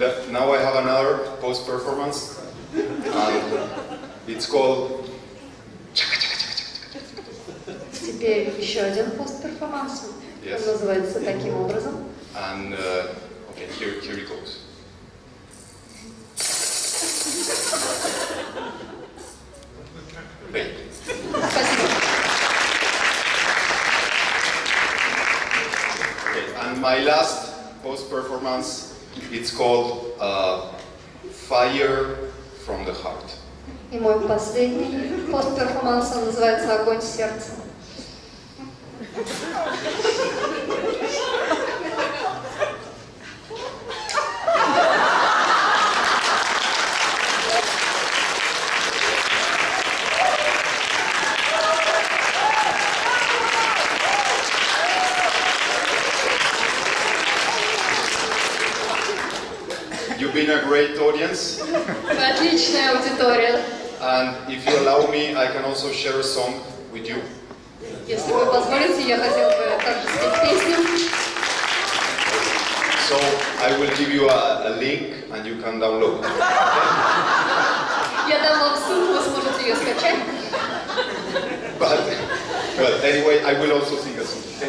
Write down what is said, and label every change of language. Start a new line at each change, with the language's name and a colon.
English: Now I have another post-performance, and it's called
Russian: теперь еще один пост-перформанс.
English: Yes.
Russian: Он называется таким образом.
English: And okay, here it goes.
Russian: Спасибо.
English: And my last post-performance, it's called Fire from the Heart.
Russian: И мой последний пост-перформанс называется Огонь сердца.
English: Great audience.
Russian: Отличная аудитория.
English: And if you allow me, I can also share a song with you.
Russian: Если вы позволите, я хотел бы также спеть песню.
English: So I will give you a link and you can download.
Russian: Я дам вам ссылку, вы сможете ее скачать.
English: But well, anyway, I will also sing a song.